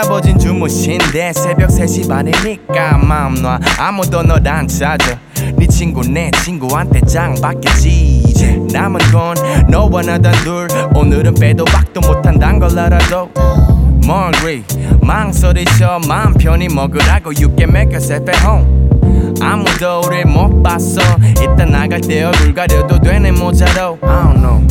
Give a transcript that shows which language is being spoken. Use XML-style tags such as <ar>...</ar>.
<ko>아버진 주무신데 새벽 3시 반이니까 맘 놔. 아무도 널 안 찾아. 네 친구 내 친구한테 짱 받겠지. 이제 남은 건 너와 나 단 둘. 오늘은 빼도 박도 못한 단 걸 알아도 멀리 망설이셔. 마음 편히 먹으라고</ko> <en>You can make yourself at home.</en> <ko>아무도 우릴 못 봤어. 이따 나갈 때 얼굴 가려도 되네 모자로.</ko> <en>I don't know.</en>